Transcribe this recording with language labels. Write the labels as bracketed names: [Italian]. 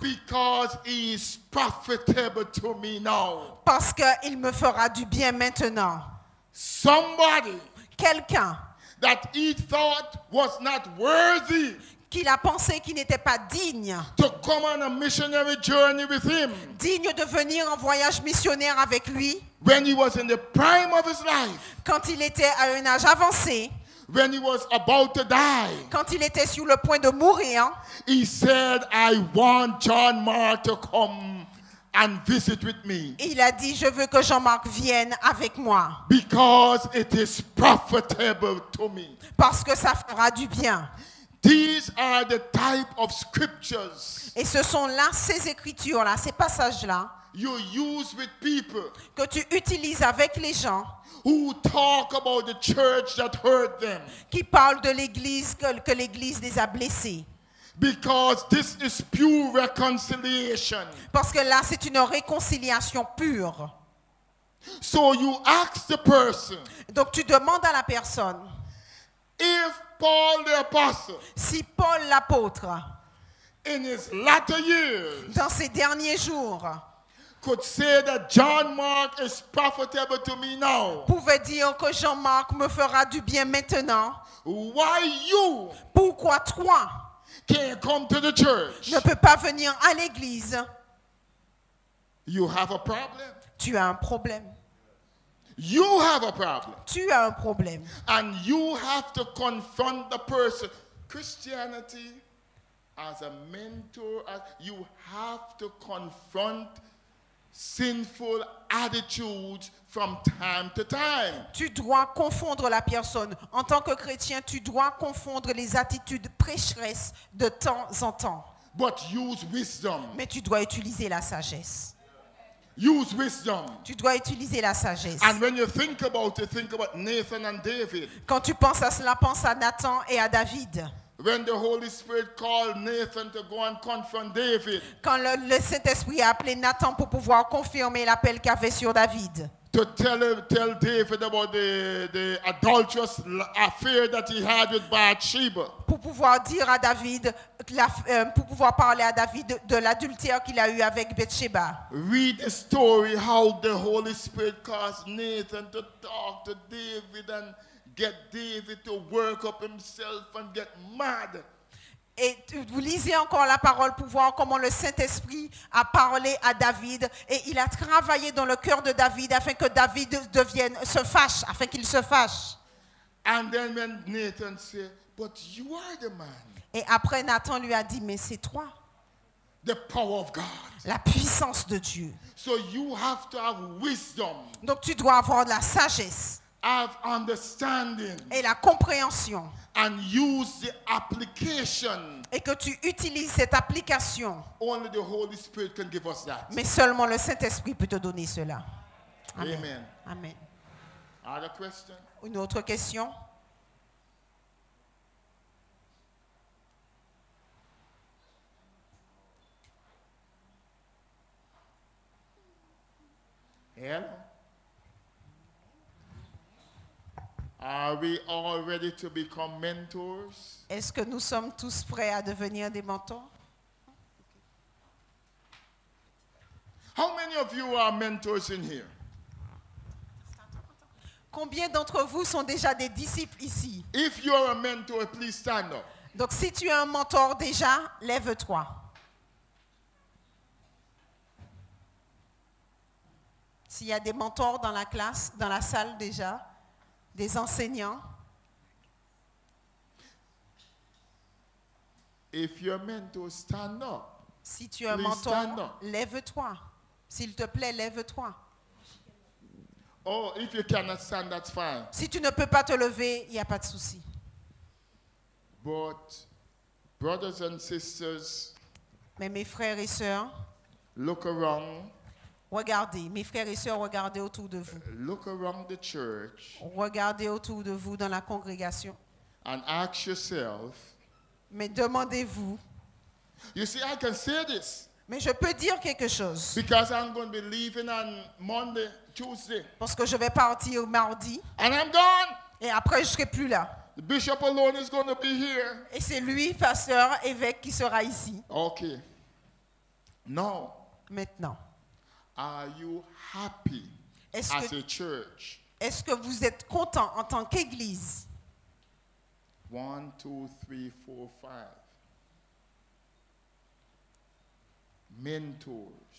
[English] Because he is profitable to me now. [French] Parce qu'il me fera du bien maintenant. [English] Somebody, [French] quelqu'un, [English] that he thought was not worthy. [French] Qu'il a pensé qu'il n'était pas digne. [English] To come on a missionary journey with him. [French] Digne de venir en voyage missionnaire avec lui. [English] When he was in the prime of his life. [French] Quand il était à un âge avancé. [English] When he was about to die. [French] Quand il était sur le point de mourir. [English] He said, "I want John Mark to come and visit with me." [French] Il a dit, je veux que Jean-Marc vienne avec moi. [English] Because it is profitable to me. [French] Parce que ça fera du bien. [English] These are the type of scriptures. [French] Et ce sont là ces écritures là, ces passages là. [English] You use with people. [French] Que tu utilises avec les gens. [English] Who talk about the church that hurt them. [French] Qui parlent de l'église que l'église les a blessés. [English] Because this is pure reconciliation. [French] Parce que là c'est une réconciliation pure. [English] So you ask the person. [French] Donc tu demandes à la personne. [English] If Paul the apostle, [French] si Paul l'apôtre, [English] in his latter years, [French] dans ses derniers jours, [English] could say that John Mark is profitable to me now, [French] pouvait dire que Jean-Marc me fera du bien maintenant. [English] Why you? [French] Pourquoi toi? [English] Can't come to the church. [French] Ne peux pas venir à l'église. [English] You have a problem. [French] Tu as un problème. [English] You have a problem. [French] Tu as un problème. [English] And you have to confront the person. Christianity, as a mentor, you have to confront sinful attitudes from time to time. [French] Tu dois confondre la personne. En tant que chrétien, tu dois confondre les attitudes prêcheresses de temps en temps. [English] But use wisdom. [French] Mais tu dois utiliser la sagesse. [English] Use wisdom. [French] Tu dois utiliser la sagesse. [English] And when you think about it, think about Nathan and David. [French] Quand tu penses à cela, pense à Nathan et à David. [English] When the Holy Spirit called Nathan to go and confront David. [French] Quand le Saint-Esprit a appelé Nathan pour pouvoir confirmer l'appel qu'avait sur David. [English] To tell David about the adulterous affair that he had with Bathsheba. [French] Pour pouvoir dire à David, pour pouvoir parler à David de l'adultère qu'il a eu avec Bathsheba. [English] Read the story how the Holy Spirit caused Nathan to talk to David and get David to work up himself and get mad. [French] Et vous lisez encore la parole pour voir comment le Saint-Esprit a parlé à David et il a travaillé dans le cœur de David afin que David devienne, se fâche, afin qu'il se fâche. [English] And then when Nathan said, but you are the man. [French] Et après Nathan lui a dit, mais c'est toi. [English] The power of God. [French] La puissance de Dieu. [English] So you have to have wisdom. [French] Donc tu dois avoir de la sagesse. [English] Have understanding. [French] Et la compréhension. [English] And use the application. [French] Et que tu utilises cette application. [English] Only the Holy Spirit can give us that. [French] Mais seulement le Saint-Esprit peut te donner cela. [English] Amen. Amen. Amen. Other question? [French] Une autre question? [English] Hello? Are we all ready to become mentors? [French] Est-ce que nous sommes tous prêts à devenir des mentors? [English] How many of you are mentors in here? [French] Combien d'entre vous sont déjà des disciples ici? [English] If you are a mentor, please stand up. [French] Donc si tu es un mentor déjà, lève-toi. S'il y a des mentors dans la classe, dans la salle déjà, des enseignants. [English] If you're meant to stand up, [French] si tu es un mentor, lève-toi. S'il te plaît, lève-toi. [English] Oh, if you cannot stand, that's fine. [French] Si tu ne peux pas te lever, il n'y a pas de souci. [English] But brothers and sisters, [French] mais mes frères et sœurs, [English] look around. [French] Regardez, mes frères et sœurs, regardez autour de vous. [English] Look around the church. [French] Regardez autour de vous dans la congrégation. [English] And ask yourself. [French] Mais demandez-vous. [English] You see, I can say this. [French] Mais je peux dire quelque chose. [English] Because I'm going to be leaving on Monday, Tuesday. [French] Parce que je vais partir mardi. [English] And I'm gone. [French] Et après, je ne serai plus là. [English] The bishop alone is going to be here. [French] Et c'est lui, pasteur, évêque, qui sera ici. [English] OK. Now. [French] Maintenant. [English] Are you happy as a church? [French] Est-ce que vous êtes content en tant qu'église? [English] 1, 2, 3, 4, 5. Mentors.